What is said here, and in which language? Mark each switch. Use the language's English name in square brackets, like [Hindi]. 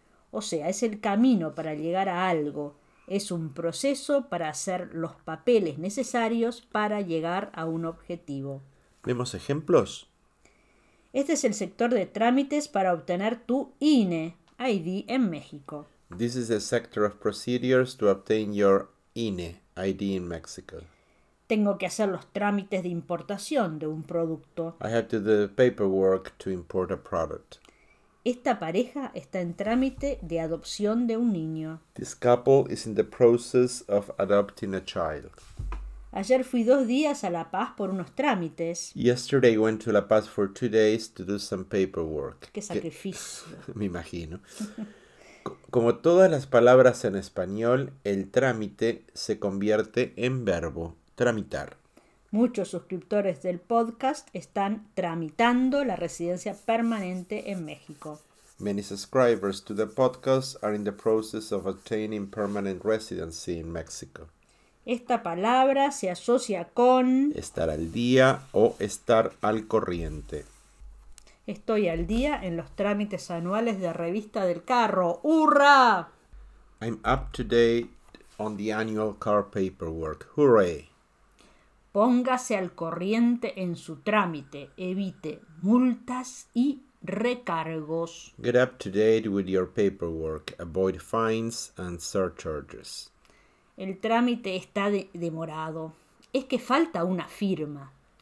[Spanish] O sea, es el camino para llegar a algo, es un proceso para hacer los papeles necesarios para llegar a un objetivo. ¿Vemos ejemplos? Este es el sector de trámites para obtener tu INE, ID en México. [English] This is a sector of procedures to obtain your INE, ID in Mexico. [Spanish] Tengo que hacer los trámites de importación de un producto. [English] I have to do the paperwork to import a product. [Spanish] Esta pareja está en trámite de adopción de un niño. [English] This couple is in the process of adopting a child. [Spanish] Ayer fui 2 días a La Paz por unos trámites. [English] Yesterday went to La Paz for 2 days to do some paperwork. [Spanish] Qué ¿Qué? sacrificio. Me imagino. Como todas las palabras en español, el trámite se convierte en verbo, tramitar. Muchos suscriptores del podcast están tramitando la residencia permanente en México. [English] Many subscribers to the podcast are in the process of obtaining permanent residency in Mexico. [Spanish] Esta palabra se asocia con Estar al día o estar al corriente. estoy al día en los trámites anuales de revista del carro. ¡Hurra! [English] I'm up to date on the annual car paperwork. Hooray. [Spanish] Póngase al corriente en su trámite, evite multas y recargos. [English] Get up to date with your paperwork. Avoid fines and surcharges. [Spanish] El trámite está demorado. Es que falta una firma.